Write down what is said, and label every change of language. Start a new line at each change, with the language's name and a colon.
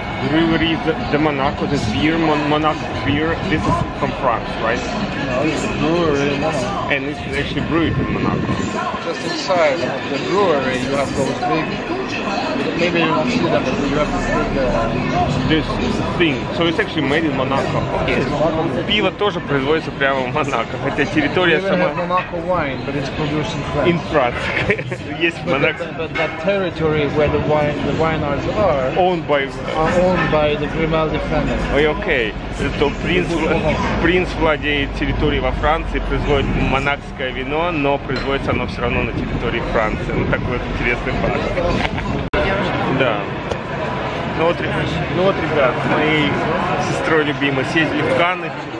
English: Brewery de Monaco, this beer, Monaco beer, this is from France, right? This is a brewery in Monaco. And this is actually brewed in Monaco. Just inside of the brewery you have those big, maybe you don't see that, but you have to put this thing. So it's actually made in Monaco. Yes.
Russian: Пиво тоже производится прямо в Монако, хотя территория сама...
English: Even have Monaco wine, but it's produced in France. In France. Yes, but Monaco. But that territory where the wineries are... Owned by the Grimaldi family.
Russian: Ой, окей. То принц владеет территорией во Франции, производит монакское вино, но производится оно все равно на территории Франции. Ну, такой вот интересный факт. Да. Ну вот, ребят, с моей сестрой любимой съездили в Канны.